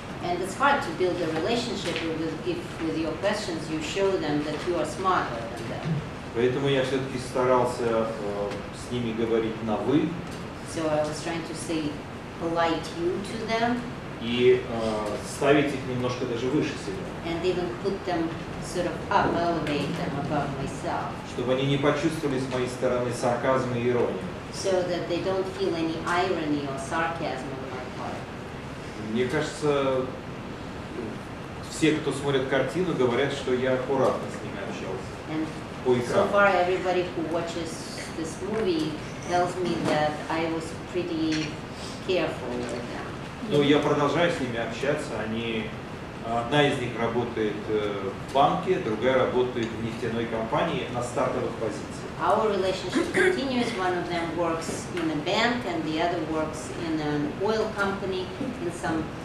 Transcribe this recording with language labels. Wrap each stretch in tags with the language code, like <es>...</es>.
<en>And it's hard to build a relationship with your questions, you show them that you are smarter than them.</en> <ru>Поэтому я все-таки старался с ними говорить на «вы».</ru> <en>So I was trying to say polite you to them.</en> <ru>И ставить их немножко даже выше себя.</ru> <en>And even put them sort of up, elevate them above myself.</en> <ru>Чтобы они не почувствовали с моей стороны сарказм и иронию.</ru> <en>So that they don't feel any irony or sarcasm on my part.</en> <ru>Мне кажется, все, кто смотрит картину, говорят, что я аккуратно с ними общался.</ru> <en>And so far, everybody who watches this movie tells me that I was pretty careful with them.</en> <ru>Ну, я продолжаю с ними общаться. Одна из них работает в банке, другая работает в нефтяной компании на стартовых позициях.</ru> <en>Our relationship continues. One of them works in a bank, and the other works in an oil company in some</en>